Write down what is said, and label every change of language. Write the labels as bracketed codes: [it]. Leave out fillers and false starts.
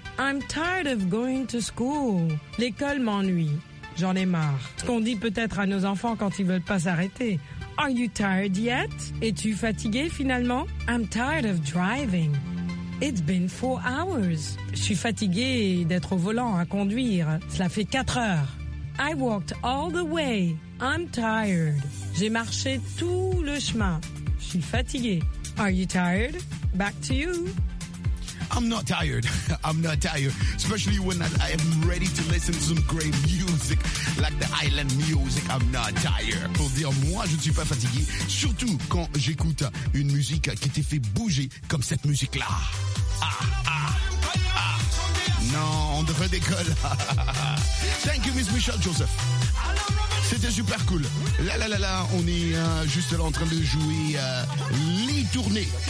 [en] I'm tired of going to school. [fr] L'école m'ennuie. J'en ai marre. Ce qu'on dit peut-être à nos enfants quand ils veulent pas s'arrêter. [en] Are you tired yet? [fr] Es-tu fatigué finalement? [en] I'm tired of driving. It's been 4 hours. [fr] Je suis fatigué d'être au volant à conduire. Cela fait 4 heures. [en] I walked all the way. I'm tired. [fr] J'ai marché tout le chemin. Je suis fatigué. [en] Are you tired? Back to you. I'm not tired. I'm not tired. Especially when I am ready to listen to some great music, like the island music. I'm not tired. [fr] Pour dire, moi, je ne suis pas fatigué. Surtout quand j'écoute une musique qui te fait bouger comme cette musique-là. Ah, ah, ah. Non, on devrait décoller. [en] Thank you, Miss Michelle Joseph. [fr] C'était super cool. Là, là, là, là, on est juste là en train de jouer les tournées.